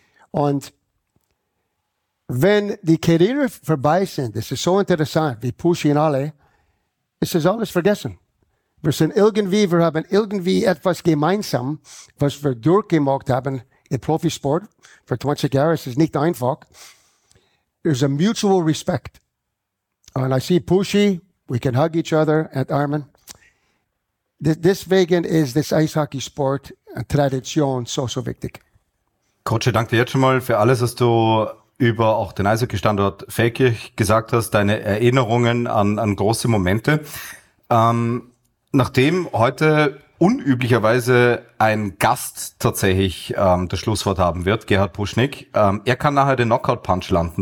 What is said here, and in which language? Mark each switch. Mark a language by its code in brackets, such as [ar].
[de] Und wenn die Karriere vorbei sind, das ist so interessant, wie Pushy und alle, es ist alles vergessen. Wir sind irgendwie, wir haben irgendwie etwas gemeinsam, was wir durchgemacht haben im Profisport für 20 Jahre. Es ist nicht einfach. [en] There's a mutual respect. And I see Pushy, we can hug each other at Armin. [de] Deswegen ist das Eishockey-Sport und Tradition so, so wichtig. Coach, ich danke dir jetzt schon mal für alles, was du über auch den Eishockey-Standort Feldkirch gesagt hast, deine Erinnerungen an große Momente. Nachdem heute unüblicherweise ein Gast tatsächlich das Schlusswort haben wird, Gerhard Pruschnick, er kann nachher den Knockout-Punch landen.